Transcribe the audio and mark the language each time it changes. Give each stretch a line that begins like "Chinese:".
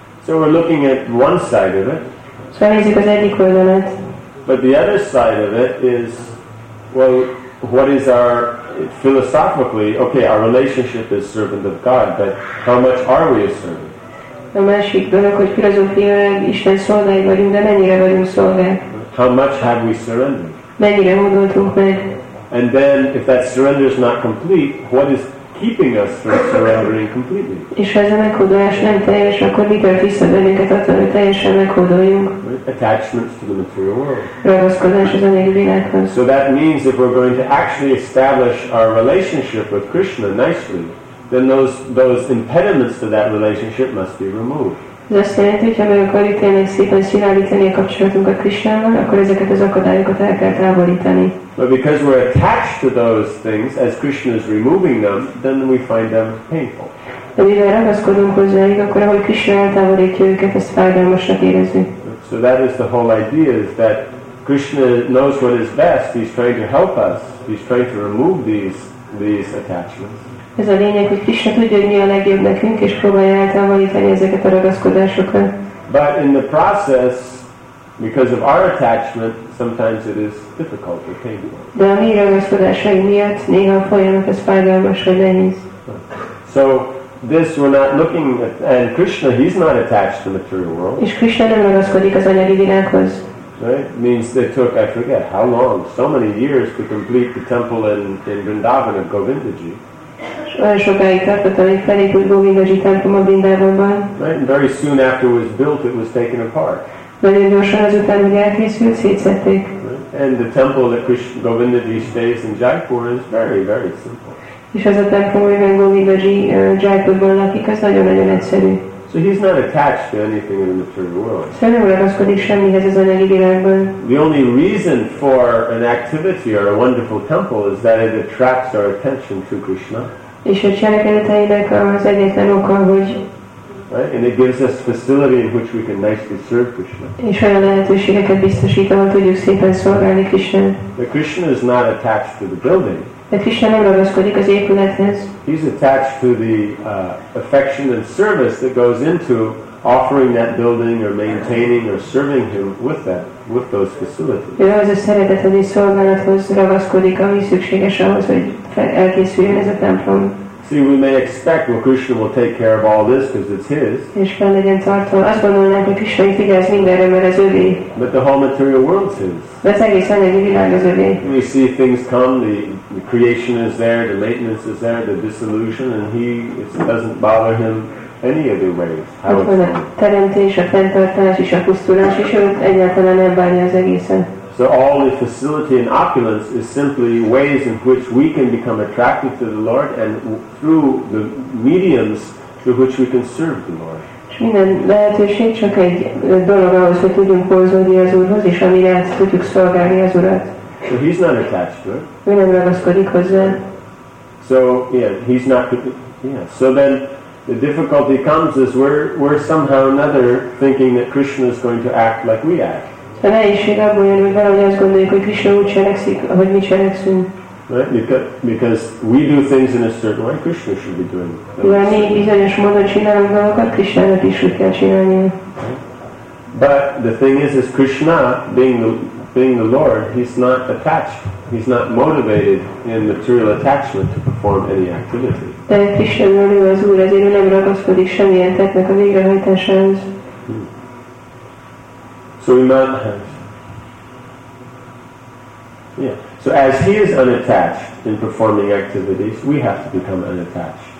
English: So we're looking at one side of it.
Hungarian: Szóval nézzük az egyik oldalát.
English: But the other side of it is, well, what is our, philosophically, okay, our relationship is servant of God, but how much are we a servant?
Hungarian: A másik dolog, hogy filozófiailag Isten szolgái vagyunk, de mennyire vagyunk szolgák?
English: How much have we surrendered?
Hungarian: Mennyire hódoltunk meg?
English: And then, if that surrender is not complete, what is keeping us from surrendering completely?
Hungarian: És ha ez a meghódolás nem teljes, akkor mi tart vissza bennünket attól, hogy teljesen meghódoljunk?
English: Attachments to the material world.
Hungarian: Ragaszkodás az anyagi világhoz.
English: So that means if we're going to actually establish our relationship with Krishna nicely, then those impediments to that relationship must be removed.
Hungarian: Ez azt jelenti, hogy ha meg akarjuk tényleg szépen szilárdítani a kapcsolatunkat Krisnával, akkor ezeket az akadályokat el kell távolítani.
English: But because we're attached to those things, as Krishna is removing them, then we find them painful.
Hungarian: De mivel ragaszkodunk hozzájuk, akkor ahogy Krishna eltávolítja őket, ezt fájdalmasnak érezzük.
English: So that is the whole idea, is that Krishna knows what is best, he's trying to help us, he's trying to remove these attachments.
Hungarian: Ez a lényeg, hogy Krishna tudja, hogy mi a legjobb nekünk, és próbálja eltávolítani ezeket a ragaszkodásokat.
English: But in the process, because of our attachment, sometimes it is difficult or painful.
Hungarian: De a mi ragaszkodásaink miatt néha folyamat ez fájdalmas vagy nehéz.
English: So this we're not looking at, and Krishna, he's not attached to the material world.
Hungarian: És Krishna nem ragaszkodik az anyagi világhoz.
English: Right? Means it took, I forget how long, so many years to complete the temple in Vrindavan of Govindaji.
Hungarian: Olyan sokáig tartott, amíg felépült Govindaji templom a Vrindavanban.
English: Right, very soon after it was built, it was taken apart.
Hungarian: Nagyon gyorsan azután, hogy elkészült, szétszették.
English: Right? And the temple that Govindaji stays in Jaipur is very, very simple.
Hungarian: És ez a templom, amiben Govindaji Jaipurban lakik, az nagyon-nagyon egyszerű.
English: So he's not attached to anything in the material world.
Hungarian: Nem ragaszkodik semmihez az anyagi világban.
English: The only reason for an activity or a wonderful temple is that it attracts our attention to Krishna.
Hungarian: És a cselekedeteinek az egyetlen oka, hogy
English: right? And it gives us facility in which we can nicely serve Krishna.
Hungarian: És olyan lehetőségeket biztosít, ahol tudjuk szépen szolgálni Krishna.
English: But Krishna is not attached to the building.
Hungarian: De Krishna nem ragaszkodik az épülethez.
English: He's attached to the affection and service that goes into offering that building or maintaining or serving him with that, with those facilities.
Hungarian: Ő az a szeretethez és szolgálathoz ragaszkodik, ami szükséges ahhoz, hogy elkészüljön ez a templom.
English: See, we may expect, well, Krishna will take care of all this because it's his.
Hungarian: És kell legyen tartalma. Azt gondolnánk, hogy Krishna figyelz mindenre, mert az övé.
English: But the whole material world's his.
Hungarian: De az egész anyagi világ az övé.
English: We see things come, the creation is there, the maintenance is there, the dissolution, and he, it doesn't bother him any other way.
Hungarian: Ott van a teremtés, a fenntartás és a pusztulás, és őt egyáltalán nem bánja az egészen.
English: So all the facility and opulence is simply ways in which we can become attracted to the Lord and through the mediums through which we can serve the Lord.
Hungarian: Minden lehetőség csak egy dolog ahhoz, hogy tudjunk hozódni az Úrhoz, és amire tudjuk szolgálni az Urat.
English: So he's not attached to it.
Hungarian: Ő nem ragaszkodik hozzá.
English: So, yeah, he's not... Yeah, so then... The difficulty comes is we're somehow another thinking that Krishna is going to act like we act.
Hungarian: A nehézség abban jön, hogy valahogy azt gondoljuk, hogy Krishna úgy cselekszik, ahogy mi cselekszünk.
English: Right? Because we do things in a certain way, Krishna should be doing it.
Hungarian: Mi bizonyos módon csinálunk dolgokat, Krishnának is úgy kell csinálnia.
English: But the thing is Krishna, being the Lord, he's not attached, he's not motivated in material attachment to perform any activity.
Hungarian: De Krishna, ő az Úr, ezért ő nem ragaszkodik semmilyen tettnek a végrehajtásához.
English: So we might have, yeah. So as he is unattached in performing activities, we have to become unattached.